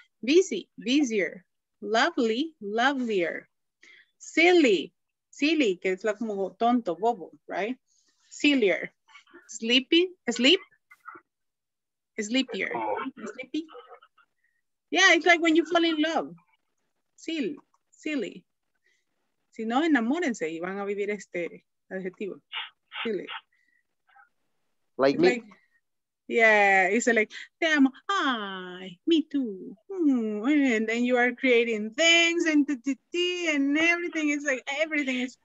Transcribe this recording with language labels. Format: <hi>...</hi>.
<en>Busy, busier. Lovely, lovelier.</en> <es>Silly, silly, que es como tonto, bobo, right?</es> <en>Sillier, sleepy, sleep, sleepier, sleepy. Yeah, it's like when you fall in love. Silly, silly.</en> <es>Si no, enamórense y van a vivir este adjetivo.</es> <en>Silly. Like me. Like, yeah, it's like, te amo, ay, me too. And then you are creating things and everything is like, everything is.</en>